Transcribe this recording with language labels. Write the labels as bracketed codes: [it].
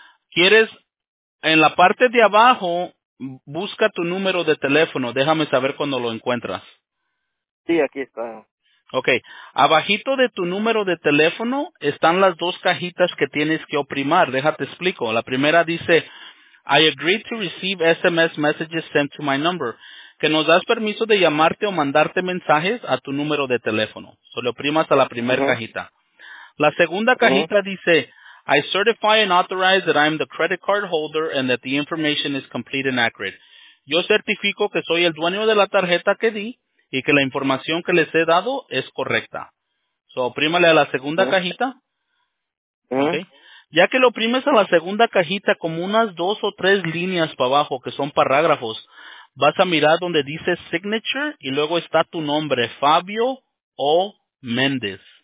[es] Quieres, en la parte de abajo, busca tu número de teléfono. Déjame saber cuando lo encuentras. Sí, aquí está. [en] Okay. [es] Abajito de tu número de teléfono están las dos cajitas que tienes que oprimar. Déjate explico. La primera dice, [en] I agree to receive SMS messages sent to my number. [es] Que nos das permiso de llamarte o mandarte mensajes a tu número de teléfono. Solo oprimas a la primera cajita. La segunda cajita dice, [en] I certify and authorize that I am the credit card holder and that the information is complete and accurate. [es] Yo certifico que soy el dueño de la tarjeta que di y que la información que les he dado es correcta. So, oprímale a la segunda cajita. Okay. Ya que lo oprimes a la segunda cajita, como unas dos o tres líneas para abajo, que son parágrafos, vas a mirar donde dice signature y luego está tu nombre, Fabio O. Méndez.